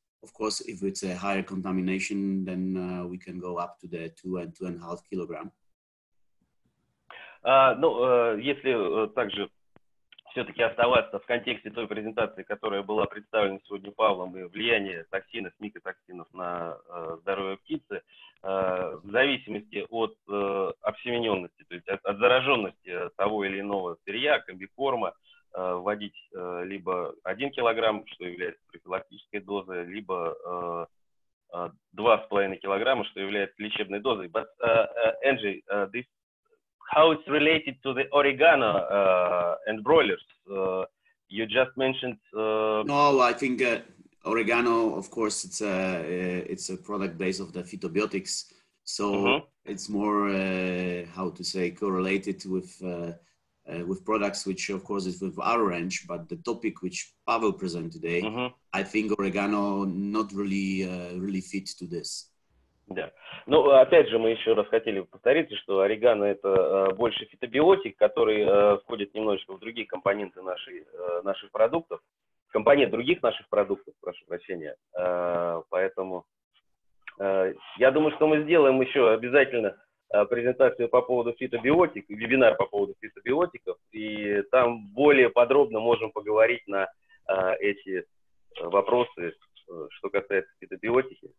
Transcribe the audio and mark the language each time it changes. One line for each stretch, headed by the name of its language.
English: Of course, if it's a higher contamination, then we can go up to the 2 and 2.5 kilograms.
Russian: Ну, если также все-таки оставаться в контексте той презентации, которая была представлена сегодня Павлом, и влияние токсинов, микотоксинов на здоровье птицы, в зависимости от обсемененности, то есть от зараженности того или иного сырья, комбикорма, вводить либо 1 килограмм, что является профилактической дозой, либо 2,5 килограмма, что является лечебной дозой.
English: But, Angie, this, how it's related to the oregano and broilers? You just mentioned... No, I think oregano, of course, it's a product based of the phytobiotics. So mm-hmm. it's more, how to say, correlated with products, which of course is with our range, but the topic which Pavel present today, mm-hmm. I think oregano not really really fit to this.
Russian: Да. Ну, опять же, мы еще раз хотели повториться, что орегано это больше фитобиотик, который входит немножечко в другие компоненты наших продуктов, компонент других наших продуктов, прошу прощения. Поэтому я думаю, что мы сделаем еще обязательно презентацию по поводу фитобиотик, вебинар по поводу фитобиотиков, и там более подробно можем поговорить на эти вопросы, что касается фитобиотики.